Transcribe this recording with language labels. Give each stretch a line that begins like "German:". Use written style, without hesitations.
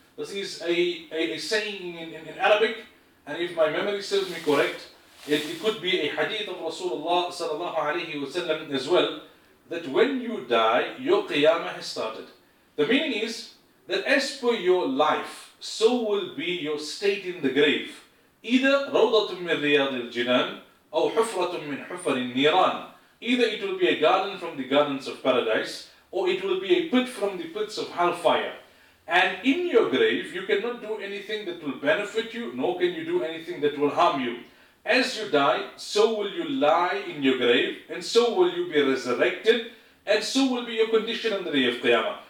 English: This is a saying in Arabic, and if my memory serves me correct, it could be a hadith of Rasulullah sallallahu alayhi wa sallam as well, that when you die, your qiyamah has started. The meaning is that as per your life, so will be your state in the grave. Either
Arabic: رَوْضَةٌ مِنْ رِيَاضِ الْجِنَانِ أَوْ حُفْرَةٌ مِنْ حُفَرِ النِّيرَانِ.
English: Either it will be a garden from the gardens of paradise, or it will be a pit from the pits of hellfire. And in your grave, you cannot do anything that will benefit you, nor can you do anything that will harm you. As you die, so will you lie in your grave, and so will you be resurrected, and so will be your condition on the day of Qiyamah.